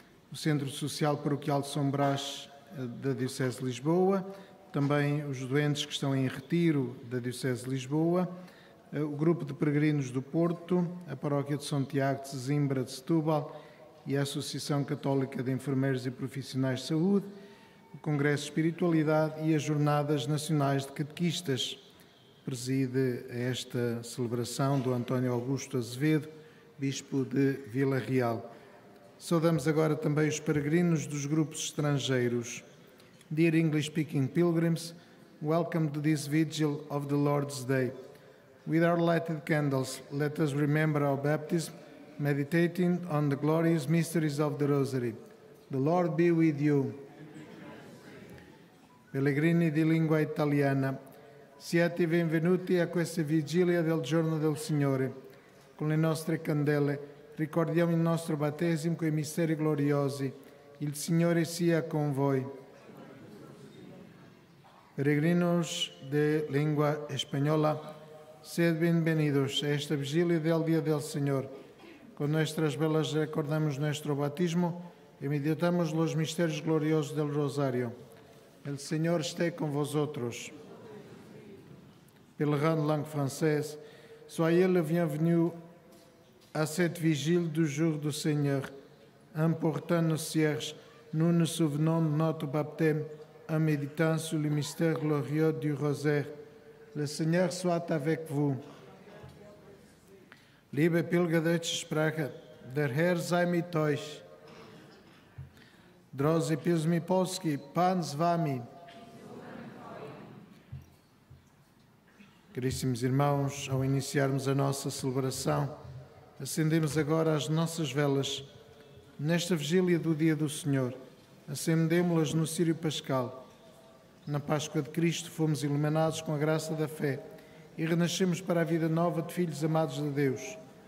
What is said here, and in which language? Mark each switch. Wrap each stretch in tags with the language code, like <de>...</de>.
<pt>o Centro Social Paroquial de São Brás, da Diocese de Lisboa, também os doentes que estão em retiro da Diocese de Lisboa, o Grupo de Peregrinos do Porto, a Paróquia de São Tiago de Sesimbra de Setúbal e a Associação Católica de Enfermeiros e Profissionais de Saúde, o Congresso de Espiritualidade e as Jornadas Nacionais de Catequistas. Preside esta celebração do António Augusto Azevedo, Bispo de Vila Real. Saudamos agora também os peregrinos dos grupos estrangeiros.</pt> <en>Dear English-speaking pilgrims, welcome to this vigil of the Lord's Day. With our lighted candles, let us remember our baptism, meditating on the glorious mysteries of the Rosary. The Lord be with you.</en> <it>Pellegrini di lingua italiana, siate benvenuti a questa vigilia del giorno del Signore. Con le nostre candele, ricordiamo il nostro battesimo con i misteri gloriosi. Il Signore sia con voi.</it> <es>Peregrinos de lingua española, sed bienvenidos a esta vigilia del Día del Señor. Con nuestras velas recordamos nuestro batismo y meditamos los misterios gloriosos del Rosario. El Señor esté con vosotros.</es> <fr>Pela grande langue française, soyez le bienvenu à cette vigile du jour du Seigneur, important nos cierges, nous nous souvenons de notre baptême en méditant sur le mystère glorieux du rosaire. Le Seigneur soit avec vous.</fr> <de>Liebe Pilger deutsche Sprache, der Herr sei mit euch.</de> <pl>Drodzy Pilgrzymi Polski, Pan z Wami.</pl> <pt>Caríssimos irmãos, ao iniciarmos a nossa celebração, acendemos agora as nossas velas. Nesta vigília do Dia do Senhor, acendemo-las no Círio Pascal. Na Páscoa de Cristo, fomos iluminados com a graça da fé e renascemos para a vida nova de filhos amados de Deus.</pt>